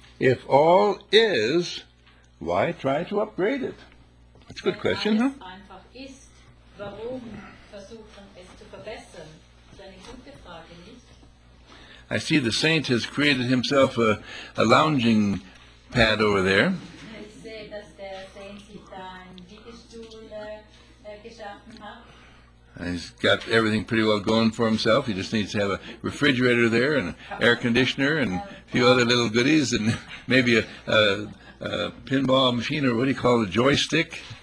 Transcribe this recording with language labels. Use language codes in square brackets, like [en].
[en] If all is, why try to upgrade it? That's a good question, huh? [de] Einfach ist, warum versuchen es zu verbessern? Das ist eine gute Frage, nicht? [en] I see the saint has created himself a lounging pad over there. [de] Ich sehe, dass der Saint sich da einen Liegestuhl geschaffen hat. [en] He's got everything pretty well going for himself. He just needs to have a refrigerator there and an air conditioner and a few other little goodies and maybe a pinball machine or what do you call it, a joystick.